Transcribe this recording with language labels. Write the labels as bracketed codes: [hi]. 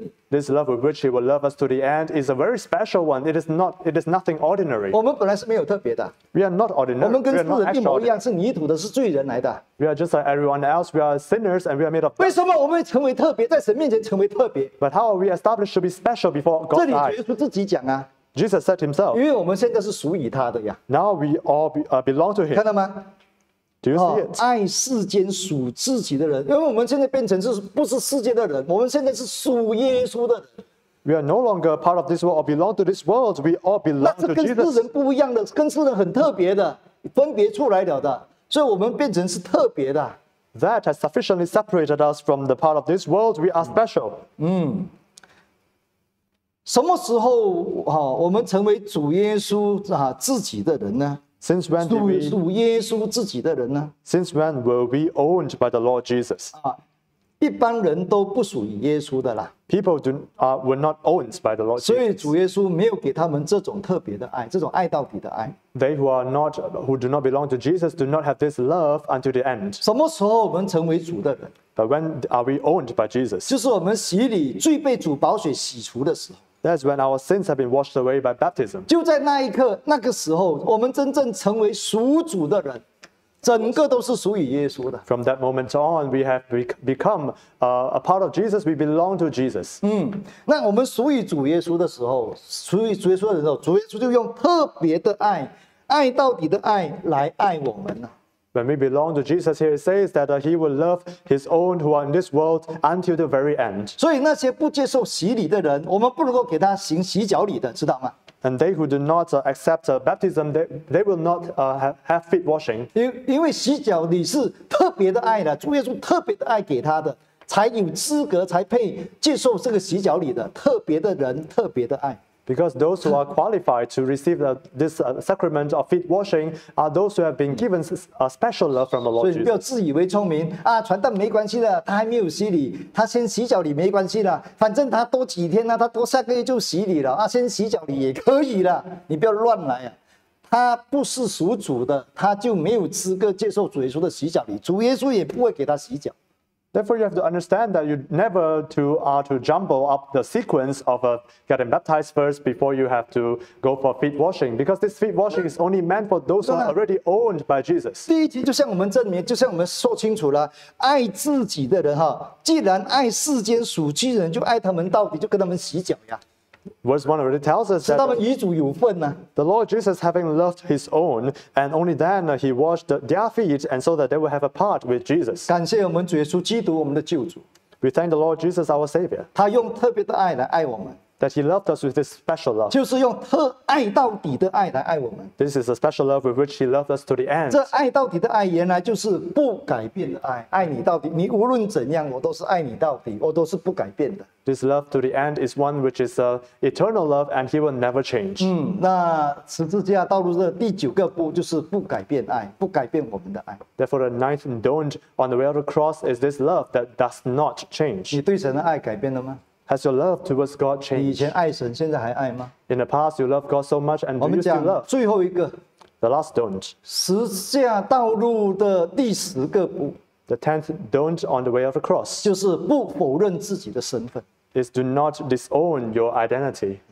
[en] This love with which he will love us to the end is a very special one. It is nothing ordinary. [zh] 我们本来是没有特别的。 [en] We are not ordinary. [zh] 我们跟世人一模一样，是泥土的，是罪人来的。 [en] We are just like everyone else. We are sinners and we are made of. [zh] 为什么我们成为特别，在神面前成为特别 [en] ？But how are we established to be special before God's eyes? [zh] 这里耶稣自己讲啊。 [en] Jesus said himself. [zh] 因为我们现在是属于他的呀。 [en] Now we all belong to him. [zh] 看到吗？ [en] Do you see it? [zh] 爱世间属自己的人，因为我们现在变成是不是世界的人，我们现在是属耶稣的人。 [en] We are no longer part of this world or belong to this world. We all belong to Jesus. [zh] 那是跟世人不一样的，跟世人很特别的，分别出来了的，所以我们变成是特别的。 [en] That has sufficiently separated us from the part of this world. We are special. [zh] 什么时候哈我们成为主耶稣啊自己的人呢？ [en] Since when did we, [zh] 属耶稣自己的人呢 [en] ？Since when were we owned by the Lord Jesus？啊， [zh] 一般人都不属于耶稣的啦。 [en] People do were not owned by the Lord Jesus。 [zh] 所以主耶稣没有给他们这种特别的爱，这种爱到底的爱。 [en] They who are not who do not belong to Jesus do not have this love until the end。 [zh] 什么时候我们成为主的人 [en] ？But when are we owned by Jesus？ [zh] 就是我们洗礼，罪被主宝血洗除的时候。 [en] That's when our sins have been washed away by baptism. [zh] 就在那一刻，那个时候，我们真正成为属主的人，整个都是属于耶稣的。 [en] From that moment on, we have become a part of Jesus. We belong to Jesus. [zh] 那我们属于主耶稣的时候，属于主耶稣的时候，主耶稣就用特别的爱，爱到底的爱来爱我们了。 [en] When we belong to Jesus, here it says that he will love his own who are in this world until the very end. [zh] 所以那些不接受洗礼的人，我们不能够给他行洗脚礼的，知道吗？ [en] And they who do not accept baptism, they will not have feet washing. [zh] 因为洗脚礼是特别的爱的，主耶稣特别的爱给他的，才有资格才配接受这个洗脚礼的，特别的人，特别的爱。 [en] Because those who are qualified to receive this sacrament of feet washing are those who have been given a special love from the Lord Jesus. [zh] 所以不要自以为聪明啊，传道没关系的，他还没有洗礼，他先洗脚礼没关系的，反正他多几天呢，他多下个月就洗礼了啊，先洗脚礼也可以了，你不要乱来啊。他不是属主的，他就没有资格接受主耶稣的洗脚礼，主耶稣也不会给他洗脚。 [en] Therefore, you have to understand that you never to jumble up the sequence of getting baptized first before you have to go for feet washing, because this feet washing is only meant for those who are already owned by Jesus. [zh] 第一题就像我们证明，就像我们说清楚了，爱自己的人哈，既然爱世间属基人，就爱他们到底，就跟他们洗脚呀。 [en] Verse 1 already tells us that [zh] 是他们与主有份呢。 [en] The Lord Jesus having loved his own, and only then he washed their feet, and so that they will have a part with Jesus. [zh] 感谢我们主耶稣基督，我们的救主。 [en] We thank the Lord Jesus, our Savior. [zh] 他用特别的爱来爱我们。 [en] That he loved us with this special love. [zh] 就是用特爱到底的爱来爱我们。 [en] This is a special love with which he loved us to the end. [zh] 这爱到底的爱原来就是不改变的爱，爱你到底，你无论怎样，我都是爱你到底，我都是不改变的。 [en] This love to the end is one which is an eternal love, and he will never change. [zh] 那十字架道路的第九个不就是不改变爱，不改变我们的爱。 [en] Therefore, the ninth don't on the way of the cross is this love that does not change. [zh] 你对神的爱改变了吗？ [en] Has your love towards God changed? [zh] 你以前爱神，现在还爱吗？ [en] In the past, you loved God so much, and do you still love? [zh] 最后一个， [en] the last don't. [zh] 十架道路的第十个不， [en] the tenth don't on the way of the cross. [zh] 就是不否认自己的身份， [en] is do not disown your identity.